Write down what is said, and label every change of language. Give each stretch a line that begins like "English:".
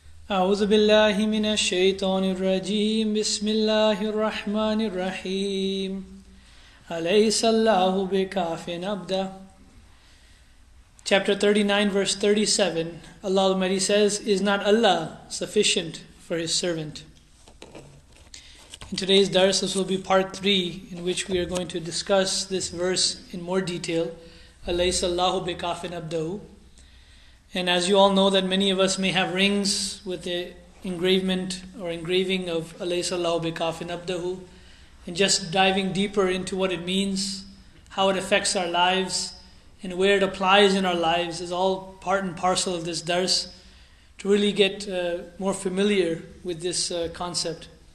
Arabic: أعوذ بالله من الشيطان الرجيم بسم الله الرحمن الرحيم أليس الله بكاف عبدا.
English: Chapter 39 verse 37, Allah Almighty says, is not Allah sufficient for His servant? In today's dars, this will be part 3 in which we are going to discuss this verse in more detail.
Arabic: أليس الله بكاف عبدا.
English: And as you all know, that many of us may have rings with the engravement or engraving of
Arabic: Alaysa Allahu Bikafin Abdahu.
English: And just diving deeper into what it means, how it affects our lives, and where it applies in our lives is all part and parcel of this dars, to really get more familiar with this concept.